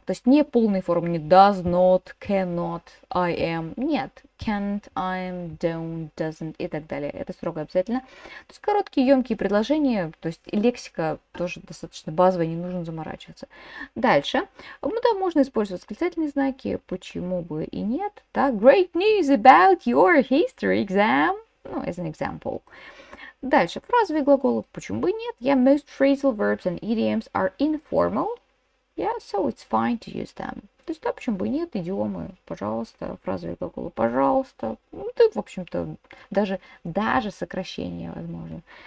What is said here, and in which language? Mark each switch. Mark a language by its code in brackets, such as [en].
[ru] То есть не полные формы, не [en] does not, cannot, I am, [ru] нет, [en] can't, I'm, don't, doesn't [ru] и так далее. Это строго обязательно. То есть короткие, емкие предложения, то есть лексика тоже достаточно базовая, не нужно заморачиваться. Дальше. Ну да, можно использовать восклицательные знаки, почему бы и нет, да. [en] Great news about your history exam, ну, as an example. [ru] Дальше, фразовые глаголы, почему бы и нет? [en] Yeah, most phrasal verbs and idioms are informal. Yeah, so it's fine to use them. [ru] То есть, да, почему бы и нет, идиомы, пожалуйста, фразовые глаголы, пожалуйста. Ну, да, в общем-то, даже сокращение возможно.